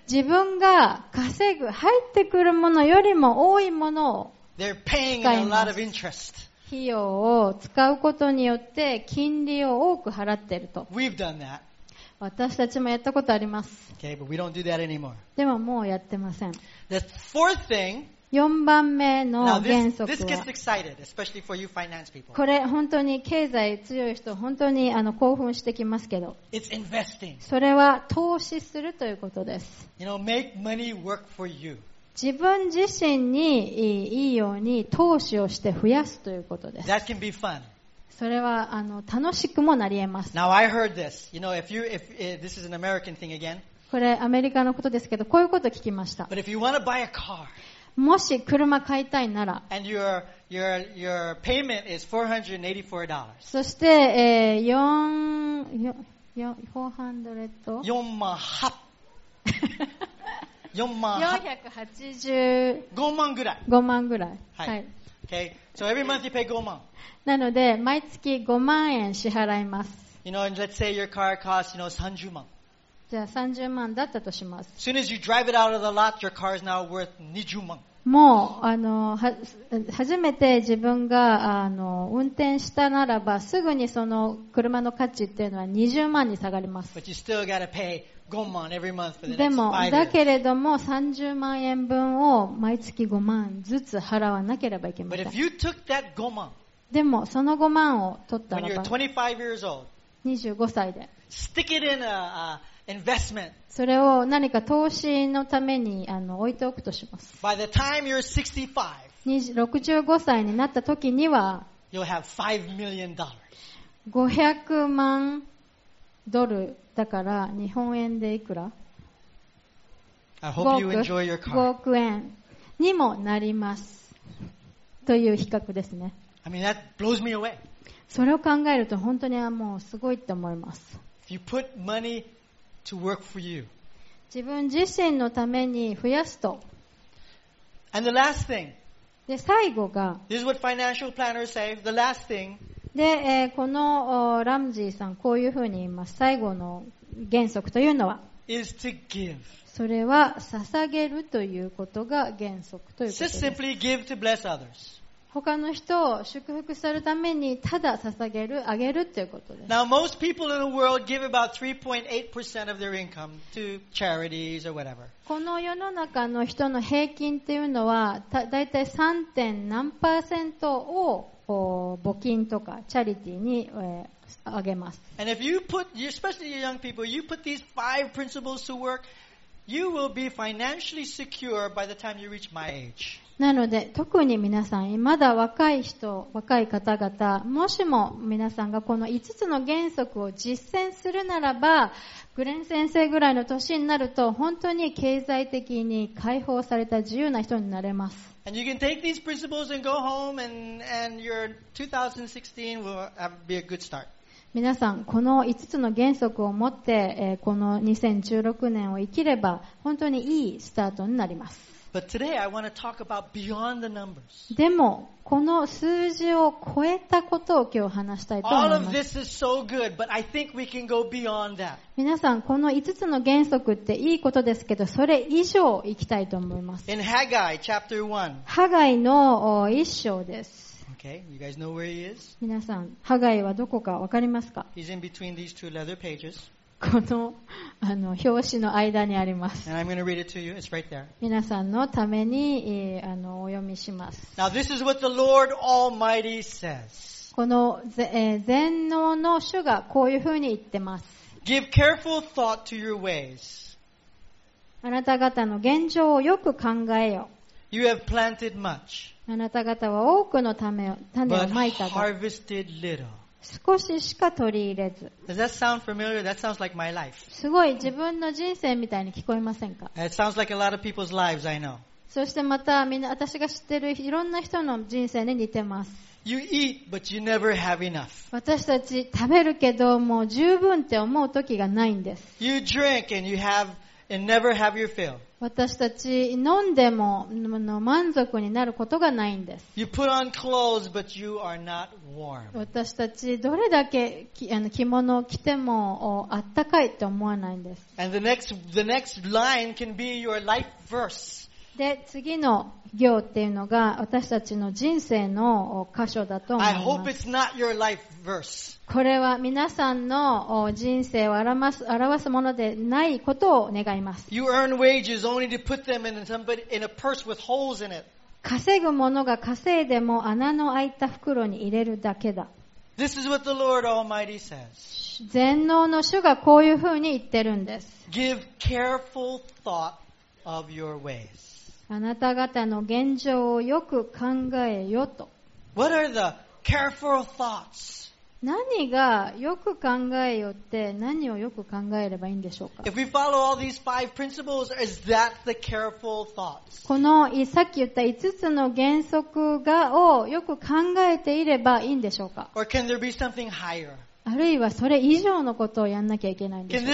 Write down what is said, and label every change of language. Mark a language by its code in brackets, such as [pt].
[ja] 自分が稼ぐ、入ってくるものよりも多いものを使います。 [en] They're paying a lot of interest. [ja] 費用を使うことによって金利を多く払ってると。 [en] We've done that. [ja] 私たちもやったことあります。 [en] Okay, but we don't do that anymore. [ja] でももうやってません。 [en] The fourth thing, [ja] 4番目の原則は、 [en] Now this gets excited, especially for you finance people. [ja] これ本当に経済強い人、本当に興奮してきますけど、 [en] It's investing. [ja] それは投資するということです。 [en] You know, make money work for you. [ja] 自分自身にいいように投資をして増やすということです。 [en] That can be fun. [ja] それは楽しくもなり得ます。 [en] Now I heard this. You know, if this is an American thing again. [ja] これアメリカのことですけど、こういうこと聞きました。 [en] But if you want to buy a car, [ja] もし車買いたいなら、 [en] and your payment is $484. [ja] そして5万ぐらい。 [en] はい。Okay. So every month you pay 5万。 [ja] なので毎月5万円支払います。 [en] You know, and let's say your car costs, you know, 30万。 [ja] じゃあ30万だったとします。 [en] As soon as you drive it out of the lot, your car is now worth 20万。 [ja] もう初めて自分が運転したならば、すぐにその車の価値っていうのは20万に下がります。 [en] But you still gotta pay. 5万 every month for the [ja] でもだけれども30万円分を毎月5万ずつ払わなければいけません。 [en] But if you took that 5万、 [ja] でもその5万を取ったらば、 [en] when you're 25 years old, [ja] 25歳で、 [en] stick it in a investment. [ja] それを何か投資のために置いておくとします。 [en] By the time you're 65 [ja] 歳になった時には、 [en] you'll have $5 million. [ja] 500万ドル。だから日本円でいくら 5億円にもなりますという比較ですね。 [en] I mean, that blows me away. [ja] それを考えると本当にもうすごいと思います。 [en] If you put money to work for you. [ja] 自分自身のために増やすと。 [en] And the last thing. [ja] で最後が、 [en] This is what financial planners say. The last thing [ja] で、このラムジーさん、こういうふうに言います。最後の原則というのは、 [en] is to give. [ja] それは捧げるということが原則ということです。 [en] Just simply give to bless others. [ja] 他の人を祝福するためにただ捧げる、あげるということです。 [en] Now, most people in the world give about 3.8% of their income to charities or whatever. [ja] この世の中の人の平均というのは、だいたい 3.何%を募金とかチャリティーにあげます。 [en] And if you put, especially young people, you put these five principles to work, you will be financially secure by the time you reach my age. [ja] なので、特に皆さん、まだ若い人、若い方々、もしも皆さんがこの5つの原則を実践するならば、グレン先生ぐらいの年になると、本当に経済的に解放された自由な人になれます。 [en] And you can take these principles and go home and your 2016 will be a good start. [ja] 皆さん、この5つの原則を持って、この2016年を生きれば、本当にいいスタートになります。 [en] But today I want to talk about beyond the numbers. [ja] でもこの数字を超えたことを今日話したいと思います。 [en] All of this is so good, but I think we can go beyond that. [ja] 皆さんこの5つの原則っていいことですけど、それ以上いきたいと思います。 [en] In Haggai chapter 1. [ja] ハガイの一章です。 [en] Okay, you guys know where he is? [ja] 皆さんハガイはどこかわかりますか？ [en] He's in between these two leather pages. [ja] この、 あの表紙の間にあります。 [en] And I'm going to read it to you. It's right there. [ja] 皆さんのために、あのお読みします。 [en] Now this is what the Lord Almighty says. [ja] この、全能の主がこういうふうに言ってます。 [en] Give careful thought to your ways. [ja] あなた方の現状をよく考えよ。 [en] You have planted much. [ja] あなた方は多くの種をまいたが。 [en] But harvested little. [ja] 少ししか取り入れず。 [en] Does that sound familiar? That sounds like my life. [ja] すごい自分の人生みたいに聞こえませんか? [en] It sounds like a lot of people's lives, I know. [ja] そしてまたみんな私が知ってるいろんな人の人生に似てます。 [en] You eat, but you never have enough. [ja] 私たち食べるけどもう十分って思う時がないんです。 [en] You drink and you have and never have your fill. [ja] 私たち飲んでも満足になることがないんです。 [en] You put on clothes, but you are not warm. [ja] 私たちどれだけ着物を着てもあったかいと思わないんです。 [en] And the next line can be your life verse. [ja] で、次の行っていうのが私たちの人生の箇所だと思います。 [en] I hope it's not your life verse. [ja] これは皆さんの人生を表すものでないことを願います。 [en] You earn wages only to put them in a purse with holes in it. [ja] 稼ぐものが稼いでも穴の開いた袋に入れるだけだ。 [en] This is what the Lord Almighty says. [ja] 全能の主がこういうふうに言ってるんです。 [en] Give careful thought of your ways. [ja] あなた方の現状をよく考えよと。 [en] What are the careful thoughts? [ja] 何がよく考えよって何をよく考えればいいんでしょうか。 [en] If we follow all these five principles, is that the careful thoughts? [ja] このさっき言った5つの原則がをよく考えていればいいんでしょうか。 [en] Or can there be something higher? [ja] あるいはそれ以上のことをやんなきゃいけないんでしょうか。